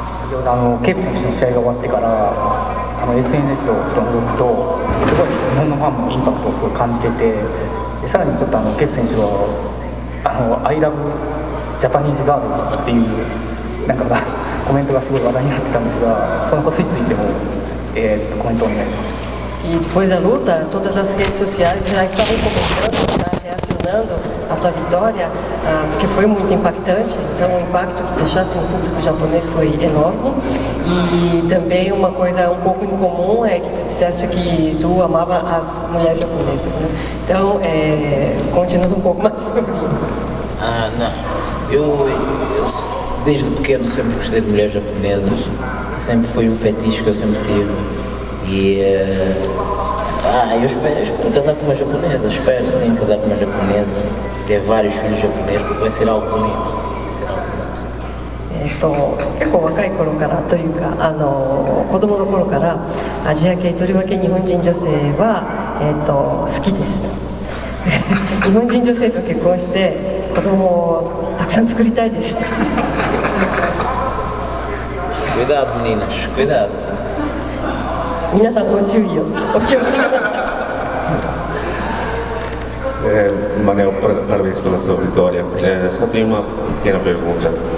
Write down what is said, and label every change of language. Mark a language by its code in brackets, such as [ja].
[ja] 先ほどケープ選手の試合が終わってから、SNS をちょっと覗くと、すごい日本のファンもインパクトをすごい感じてて、でさらにちょっとケツ選手は、 [en] I love Japanese girl [ja] っていう、なんかコメントがすごい話題になってたんですが、そのことについても、コメントをお願いします。 [pt] E depois da luta, todas as redes sociais já estavam comentando, já reacionando a tua vitória, porque foi muito impactante. Então, o impacto que deixasse no público japonês foi enorme. E também, uma coisa um pouco incomum é que tu dissesse que tu amava as mulheres japonesas, né? Então, conte-nos um pouco mais sobre isso. Ah, não. Eu desde pequeno, sempre gostei de mulheres japonesas. Sempre foi um fetiche que eu sempre tive. Eu espero casar com uma japonesa, espero sim casar com uma japonesa, ter vários filhos japoneses, porque vai ser algo bonito. [ja] 結構若い頃からというか子供の頃からアジア系、とりわけ日本人女性は好きです。日本人女性と結婚して子供をたくさん作りたいです。 [pt] Cuidado, meninas, cuidado. [ja] 皆さんご注意を、お気をつけください。 [pt] Manel, parabéns pela sua vitória. Só tenho uma pequena pergunta.